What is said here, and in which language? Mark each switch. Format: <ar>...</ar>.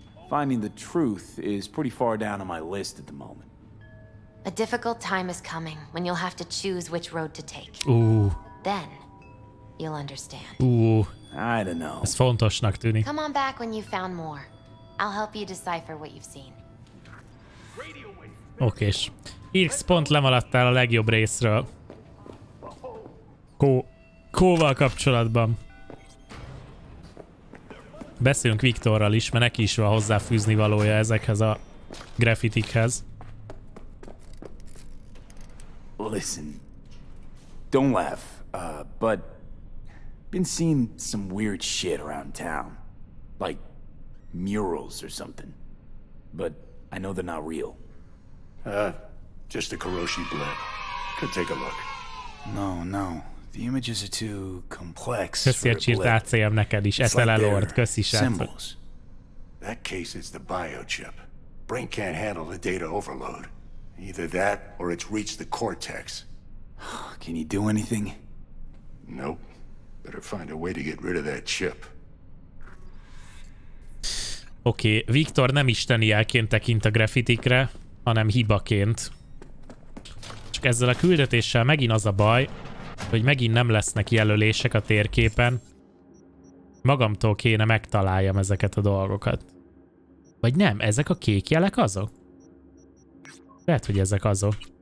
<en>Finding the truth is pretty far down on my list at the moment. A difficult time is coming when you'll have to choose which road to take. Ooh. Then you'll understand. Ooh. I don't know.</en> <hu>Ez fontosnak tűnik.</hu> <en>Come on back when you've found more. I'll help you decipher what you've seen.</en> <hu>Okés. Irks, pont lemaradtál a legjobb részről. Co-val kapcsolatban. Beszélünk Viktorral is, mert neki is van hozzáfűzni valója ezekhez a graffitikhez.</hu> <en>Listen. Don't laugh. But been seeing some weird shit around town. Like murals or something. But I know they're not real. Just a Kuroshi blip. Could take a look. No, no. The images are too complex.</en> <hu>Köszi a csírt ACM neked is, SLL Lord, köszi sárc.</hu> <en>That case is the biochip. Brain can't handle the data overload. Either that, or it's reached the cortex. Can you do anything? Nope. Better find a way to get rid of that chip.</en> <hu>Oké, okay. Viktor nem isteni jelként tekint a graffitikre, hanem hibaként. Csak ezzel a küldetéssel megint az a baj, hogy megint nem lesznek jelölések a térképen. Magamtól kéne megtaláljam ezeket a dolgokat. Vagy nem, ezek a kék jelek azok? Lehet, hogy ezek azok.</hu>